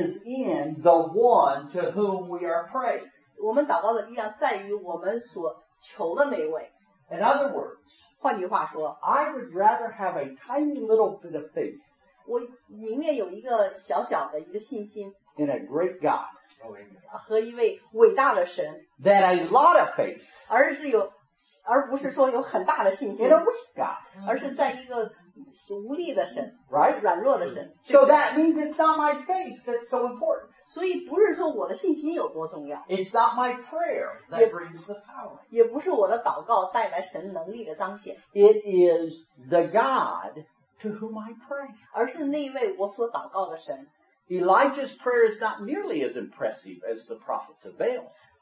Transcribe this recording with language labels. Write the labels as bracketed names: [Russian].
[English] is in the one to whom we are praying. [Chinese] 我们祷告的力量在于我们所求的那位。 [English] In other words, [Chinese] 换句话说, [English] I would rather have a tiny little bit of faith [Chinese] 我宁愿有一个小小的一个信心 [English] in a great God [Chinese] 和一位伟大的神 [English] than a lot of faith [Chinese] 而不是说有很大的信心 [English] in a weak God [Chinese] 而是在一个无力的神 [English] right? [Chinese] 软弱的神 [English] So that means it's not my faith that's so important [Chinese] 所以不是说我的信心有多重要 [English] It's not my prayer that brings the power [Chinese] 也不是我的祷告带来神能力的彰显 [English] It is the God to whom I pray [Chinese] 而是那位我所祷告的神 [English] Elijah's prayer is not nearly as impressive as the prophets of Baal